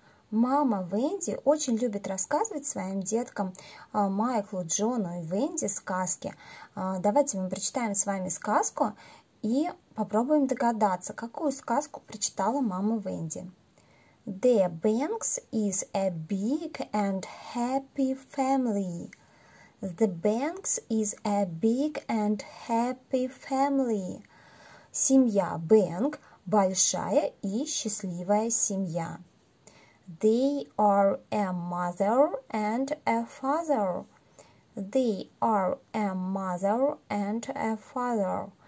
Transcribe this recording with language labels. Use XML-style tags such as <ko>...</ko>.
<ru>Мама Венди очень любит рассказывать своим деткам, Майклу, Джону и Венди, сказки. Давайте мы прочитаем с вами сказку и попробуем догадаться, какую сказку прочитала мама Венди.</ru> <en>The Banks is a big and happy family. The Banks is a big and happy family.</en> <ru>Семья Бэнк – большая и счастливая семья.</ru> <en>They are a mother and a father.</en>